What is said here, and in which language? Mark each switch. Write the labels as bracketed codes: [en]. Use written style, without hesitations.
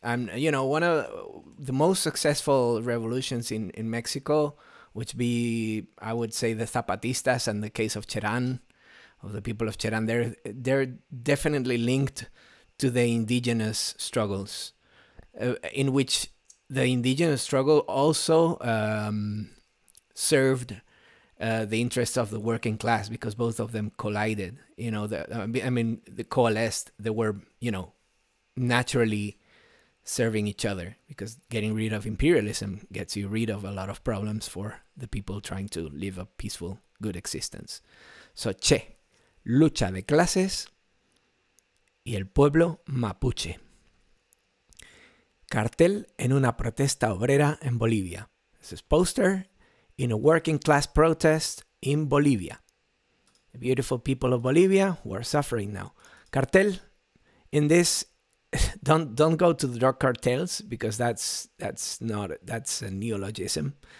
[en] And you know, one of the most successful revolutions in Mexico, which be, I would say, the Zapatistas and the case of Cheran, of the people of Cheran, they're definitely linked to the indigenous struggles, in which the indigenous struggle also served the interests of the working class, because both of them collided. You know, they coalesced. They were, you know, naturally serving each other, because getting rid of imperialism gets you rid of a lot of problems for the people trying to live a peaceful, good existence. [es] So, che, lucha de clases y el pueblo mapuche. Cartel en una protesta obrera en Bolivia. [en] This is poster in a working class protest in Bolivia. The beautiful people of Bolivia who are suffering now. Cartel, in this, don't go to the drug cartels, because that's a neologism.